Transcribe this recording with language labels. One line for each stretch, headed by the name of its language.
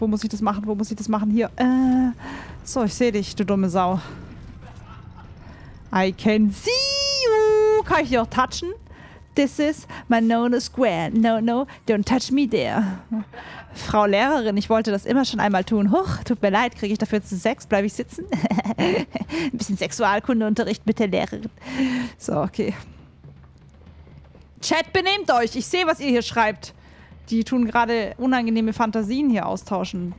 German: Wo muss ich das machen? Wo muss ich das machen? Hier. So, ich sehe dich, du dumme Sau.
English: I can see you.
German: Kann ich dich auch touchen?
English: This is my no-no square. No, no, don't touch me there.
German: Frau Lehrerin, ich wollte das immer schon einmal tun. Huch, tut mir leid, kriege ich dafür jetzt Sex? Bleibe ich sitzen? Ein bisschen Sexualkundeunterricht mit der Lehrerin. So, okay. Chat, benehmt euch. Ich sehe, was ihr hier schreibt. Die tun gerade unangenehme Fantasien hier austauschen.